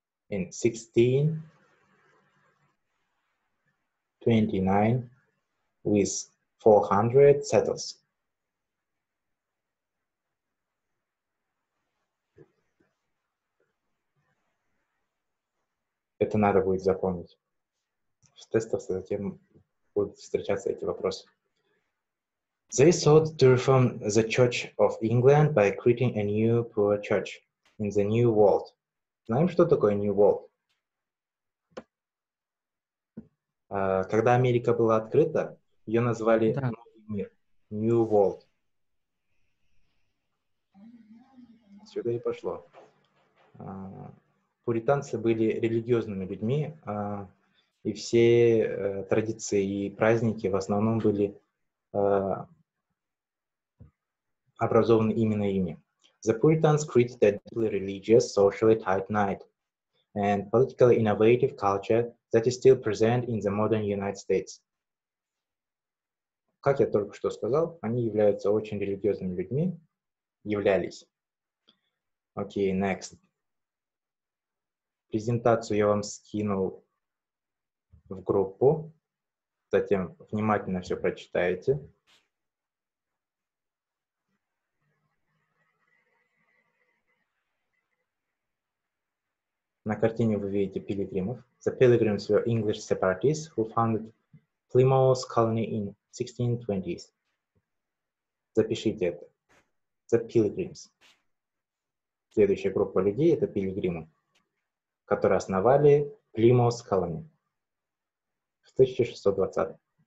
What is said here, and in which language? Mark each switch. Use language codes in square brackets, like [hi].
[en] in 1629 with 400 settlers. [ru] Это надо будет запомнить. В тестах затем будут встречаться эти вопросы. [en] They sought to reform the Church of England by creating a new poor church in the New World. [ru] Знаем, что такое [en] New World? [ru] Когда Америка была открыта, ее назвали Новый мир. [en] New World. [ru] Сюда и пошло. Пуританцы были религиозными людьми, и все традиции и праздники в основном были образованы именно ими. [en] The Puritans created a deeply religious, socially tight-knit, and politically innovative culture that is still present in the modern United States. [ru] Как я только что сказал, они являются очень религиозными людьми, являлись. Окей, [en] next. [ru] Презентацию я вам скинул в группу, затем внимательно все прочитаете. На картине вы видите пилигримов. [en] The pilgrims were English separatists who founded Plymouth colony in 1620s. [ru] Запишите это. [en] The pilgrims. [ru] Следующая группа людей — это пилигримы, которые основали Plymouth colony в 1620-х.